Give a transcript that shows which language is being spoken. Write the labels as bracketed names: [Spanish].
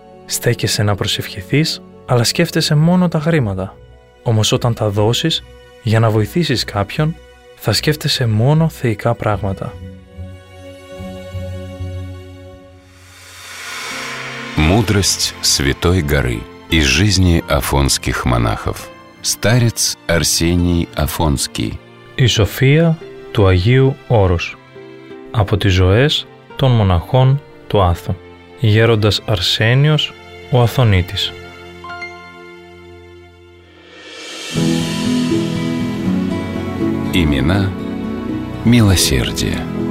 [Greek] «Στέκεσαι να προσευχηθείς, αλλά σκέφτεσαι μόνο τα χρήματα. Όμως όταν τα δώσεις, για να βοηθήσεις κάποιον, θα σκέφτεσαι μόνο θεϊκά πράγματα». [Russian] Мудрость Святой Горы из жизни афонских монахов. Старец Арсений Афонский. [Greek] И София του Αγίου Όρους. Από τις ζωές των μοναχών του Άθου. Γέροντας Αρσένιος ο Αθωνίτης. [Russian] Имена милосердия.